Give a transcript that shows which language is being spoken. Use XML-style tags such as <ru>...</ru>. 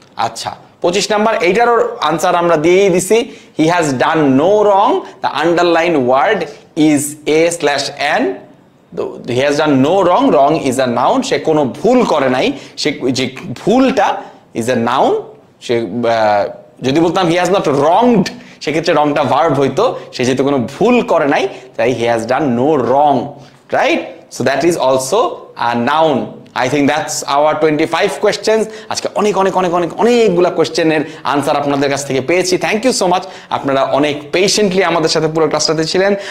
<bn>আচ্ছা, 25 number, এইটারও answer আমরা দিয়েই দিছি,</bn> <en>he has done no wrong, the underline word is a slash N,</en> <bn>he has done no wrong, wrong is a noun, সে কোনো ভুল করে নাই, সে যে ভুলটা ইজ আ নাউন, সে যদি বলতাম</bn> <en>he has not wronged</en> <bn>সেক্ষেত্রে রংটা ভার্ব হইতো, সে যেহেতু কোনো ভুল করে নাই তাই he has done no wrong,</bn> <en>Right, so that is also a noun. I think that's our 25 questions.</en> <bn>আজকে অনেক অনেক অনেক অনেক অনেকগুলো কোয়েশ্চেনের আনসার আপনাদের কাছ থেকে পেয়েছি,</bn> <en>thank you so much,</en> <bn>আপনারা অনেক পেশেন্টলি আমাদের সাথে পুরো ক্লাসটাতে ছিলেন।</bn>